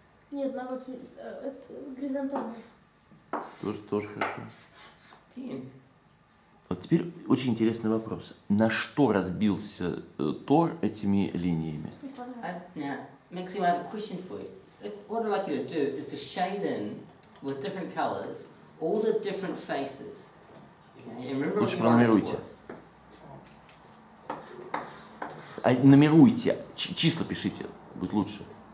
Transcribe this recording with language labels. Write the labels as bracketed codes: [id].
[ru] Нет, наоборот, это горизонтально. Тоже хорошо. Вот теперь очень интересный вопрос. На что разбился тор этими линиями? [en] Максим, I have a question for you. What I'd like you to do is to shade in with different colors all the different faces. [ru] Лучше пронумеруйте. А нумеруйте, числа пишите, будет лучше.